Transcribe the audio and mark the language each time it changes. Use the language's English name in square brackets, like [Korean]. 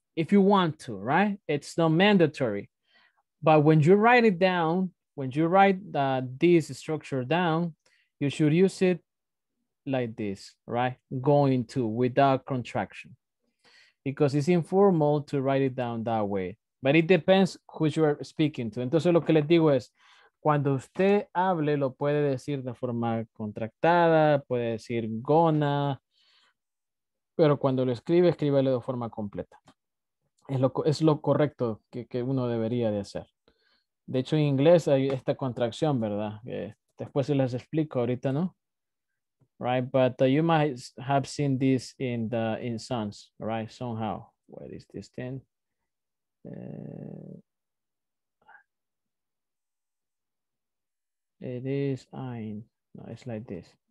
[English] If you want to, right? It's not mandatory. But when you write it down, when you write this structure down, you should use it like this, right? Going to, without contraction. Because it's informal to write it down that way. But it depends who you are speaking to. [Spanish] Entonces lo que les digo es, cuando usted hable, lo puede decir de forma contractada, puede decir gonna, pero cuando lo escribe, escríbelo de forma completa. Es lo correcto que uno debería de hacer. De hecho, en inglés hay esta contracción, ¿verdad? Después se las explico ahorita, ¿no? [English] Right, but you might have seen this in the in sons, right? Somehow, where is this thing? It is ein. No, it's like this.